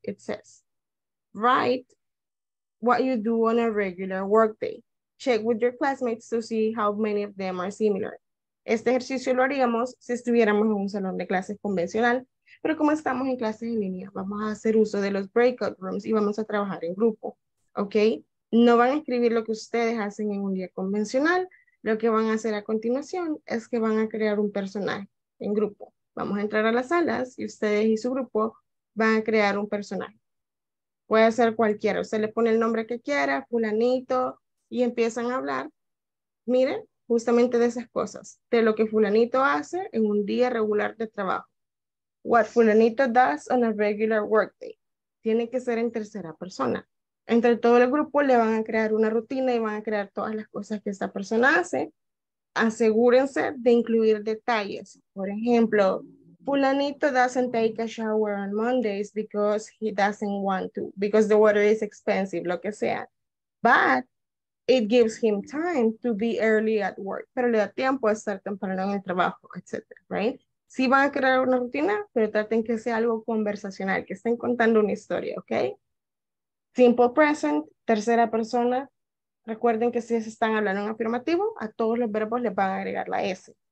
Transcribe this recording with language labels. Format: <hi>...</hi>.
<en>It says, write what you do on a regular workday. Check with your classmates to see how many of them are similar.</en> <es>Este ejercicio lo haríamos si estuviéramos en un salón de clases convencional, pero como estamos en clases en línea, vamos a hacer uso de los breakout rooms y vamos a trabajar en grupo, ¿ok? No van a escribir lo que ustedes hacen en un día convencional. Lo que van a hacer a continuación es que van a crear un personaje en grupo. Vamos a entrar a las salas y ustedes y su grupo van a crear un personaje. Puede ser cualquiera, usted le pone el nombre que quiera, fulanito, y empiezan a hablar, miren, justamente de esas cosas, de lo que fulanito hace en un día regular de trabajo.</es> <en>What fulanito does on a regular workday.</en> <es>Tiene que ser en tercera persona. Entre todo el grupo le van a crear una rutina y van a crear todas las cosas que esta persona hace. Asegúrense de incluir detalles, por ejemplo,</es> <en>fulanito doesn't take a shower on Mondays because he doesn't want to, because the water is expensive,</en> <es>lo que sea.</es> <en>But it gives him time to be early at work.</en> <es>Pero le da tiempo a estar temprano en el trabajo, etc. Right? Sí van a crear una rutina, pero traten que sea algo conversacional, que estén contando una historia, ¿ok? Simple present, tercera persona. Recuerden que si se están hablando en afirmativo, a todos los verbos les van a agregar la S.</es>